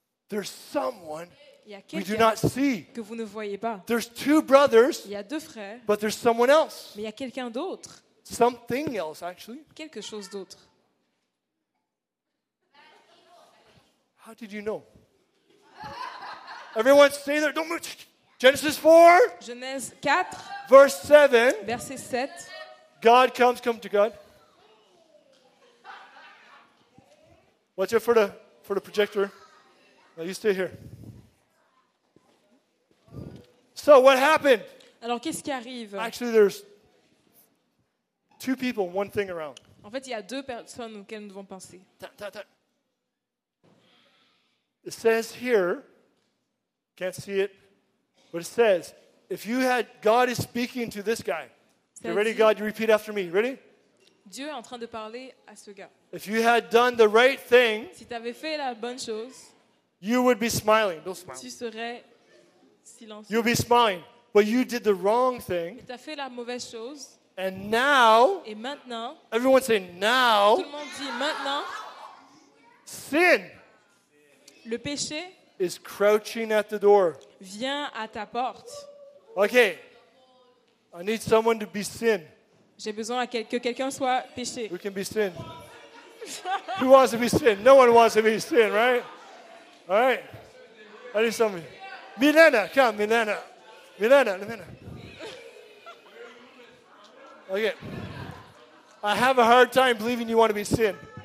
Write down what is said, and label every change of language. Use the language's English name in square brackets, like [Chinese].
[English] There's someone we do not see. [French] Que vous ne voyez pas. [English] There's two brothers. [French] Il y a deux frères. [English] But there's someone else. [French] Mais il y a quelqu'un d'autre. [English] Something else, actually. [French] Quelque chose d'autre. [English] How did you know? Everyone stay there. Don't move. Genesis 4. [French] Genèse 4. [English] Verse 7. [French] Verset 7. [English] God comes, come to God. Watch out for the projector. Now you stay here. So what happened? [French] Alors qu'est-ce qui arrive? [English] Actually, there's two people, one thing around. [French] En fait, il y a deux personnes auxquelles nous devons penser. [English] It says here, can't see it, but it says, if you had, God is speaking to this guy. You ready, God? You repeat after me. Ready? [French] Dieu est en train de parler à ce gars. [English] If you had done the right thing, [French] si t'avais fait la bonne chose, [English] you would be smiling. Don't smile. [French] Tu serais silencieux. [English] You'll be smiling. But you did the wrong thing. [French] Mais t'as fait la mauvaise chose. [English] And now, [French] et maintenant, [English] everyone say now, [French] tout le monde dit maintenant, [English] sin. [French] Le péché [English] is crouching at the door. [French] Vient à ta porte. [English] Okay. I need someone to be sin. [French] J'ai besoin que quelqu'un soit péché. [English] Who can be sin? Who wants to be sin? No one wants to be sin, right? All right. I need somebody. Milena, come, Milena. Milena, Milena. Okay. I have a hard time believing you want to be sin.